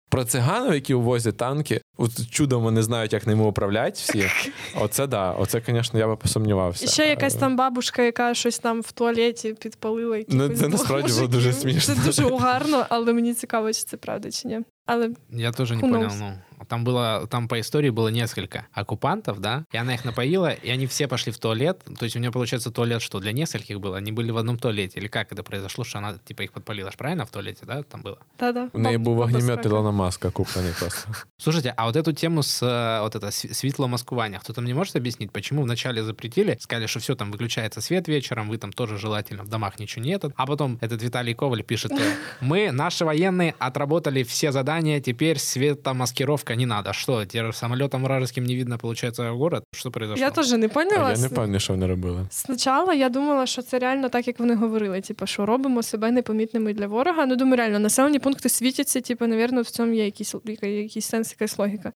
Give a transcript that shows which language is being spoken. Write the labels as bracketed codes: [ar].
[uk] Про циганів, які увозять танки, от чудом вони знають, як ними управляють всі. Оце да, оце, звісно, я би посумнівався. І ще якась там бабушка, яка щось там в туалеті підпалила. Ну, це насправді було дуже смішно. Це дуже угарно, але мені цікаво, чи це правда, чи ні. Але я теж не понял, ну. [ru] Там было, там по истории было несколько оккупантов, да, и она их напоила, и они все пошли в туалет, то есть у нее получается туалет что, для нескольких было, они были в одном туалете, или как это произошло, что она типа их подпалила, правильно, в туалете, да, там было? Да-да. У нее был огнемет Илона Маска купленный просто. Слушайте, а вот эту тему с вот это, светломаскувание, кто-то мне может объяснить, почему вначале запретили, сказали, что все, там выключается свет вечером, вы там тоже желательно, в домах ничего нет, а потом этот Виталий Коваль пишет, мы, наши военные, отработали все задания, теперь светомаскировка не надо. [uk] Що, тебе самолітом вражеським не видно, виходить, город? Що [ru] произошло? [uk] Я теж не поняла. Я не пам'ятаю, що вони робили. Спочатку я думала, що це реально так, як вони говорили. Типу, що робимо себе непомітними для ворога. Ну, думаю, реально, населені пункти світяться, типу, навірно, в цьому є якийсь сенс, якась логіка.